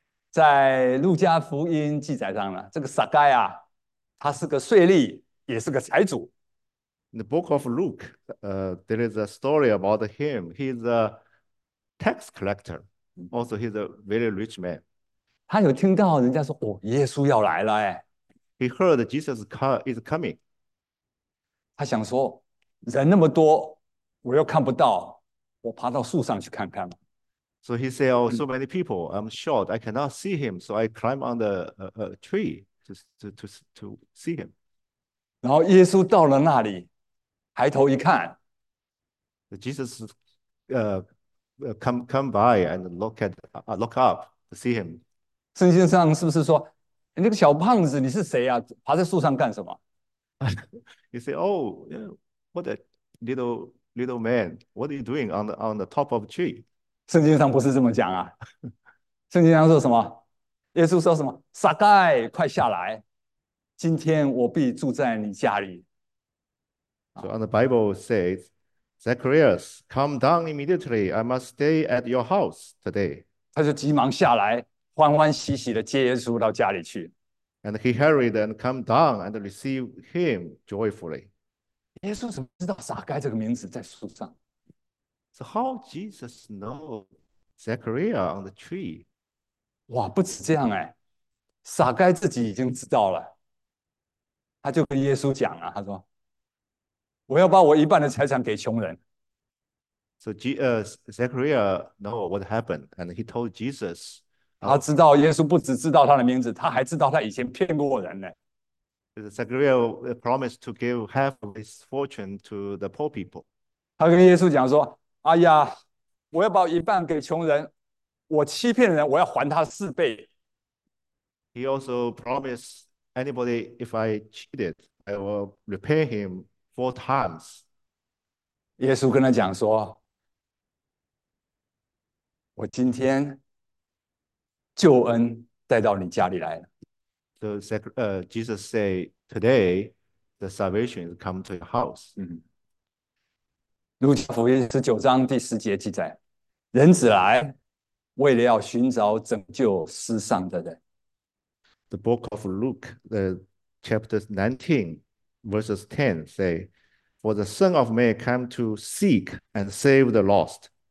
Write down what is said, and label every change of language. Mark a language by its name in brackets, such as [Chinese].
[Chinese] 在路加福音记载上了，这个撒该啊，他是个税吏。也是个财主。 [English] In the book of Luke, there is a story about him. He's a tax collector. Also, he's a very rich man. [Chinese] 他有听到人家说：“哦，耶稣要来了。” 哎， [English] He heard Jesus is coming. [Chinese] 他想说：“人那么多，我又看不到，我爬到树上去看看。 [English] So he said, "Oh, so many people. I'm short. I cannot see him. So I climb on the tree to see him." [Chinese] 然后耶稣到了那里，抬头一看， [English] Jesus, come by and look up to see him. [Chinese] 圣经上是不是说，那个小胖子你是谁呀？爬在树上干什么？ [English] He said, "Oh, yeah, what a little man, what are you doing on the top of a tree? [Chinese] 圣经上不是这么讲啊，圣经上说什么？耶稣说什么？撒该，快下来！今天我必住在你家里。 [English] So on the Bible says, Zacharias, come down immediately. I must stay at your house today. [Chinese] 他就急忙下来，欢欢喜喜的接耶稣到家里去。 [English] And he hurried and come down and received him joyfully. [Chinese] 耶稣怎么知道撒该这个名字在树上？ [English] So how Jesus know Zechariah on the tree? [Chinese] 哇，不止这样哎，撒该自己已经知道了，他就跟耶稣讲了，他说：“我要把我一半的财产给穷人。 [English] So Zechariah know what happened, and he told Jesus, [Chinese] ”他知道耶稣不只知道他的名字，他还知道他以前骗过人呢。 [English] Zechariah promised to give half of his fortune to the poor people. [Chinese] 他跟耶稣讲说：“哎呀，我要把一半给穷人。” 我欺骗人，我要还他四倍。 [English] He also promised anybody, if I cheated, I will repay him 4 times. [Chinese] 耶稣跟他讲说：“我今天救恩带到你家里来了。 [English] Jesus say, today the salvation has come to your house. [Chinese] 路加福音19章第10节记载：“人子来。 ”为了要寻找拯救世上的人， [English] The book of Luke, chapters 19, verses 10 say, For the Son of Man came to seek and save the lost.